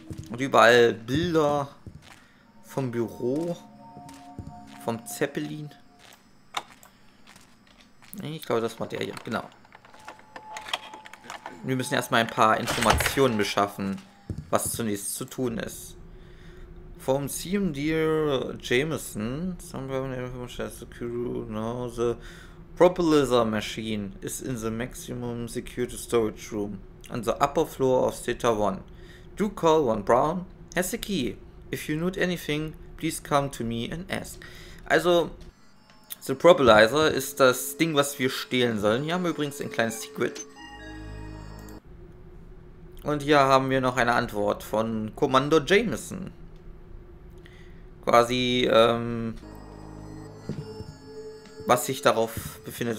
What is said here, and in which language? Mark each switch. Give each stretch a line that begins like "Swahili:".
German: Und überall Bilder vom Büro. Vom Zeppelin. Ich glaube, das war der hier. Genau. Wir müssen erstmal ein paar Informationen beschaffen, was zunächst zu tun ist. Vom CMD Jameson.
English: The Propulsor Machine is in the maximum security storage room on the upper floor of Theta 1. Do call one Brown. Has a key. If you need anything, please come to me and ask.
German: Also, The Propulsor ist das Ding, was wir stehlen sollen. Hier haben wir übrigens ein kleines Secret. Und hier haben wir noch eine Antwort von Commander Jameson. Quasi, was sich darauf befindet.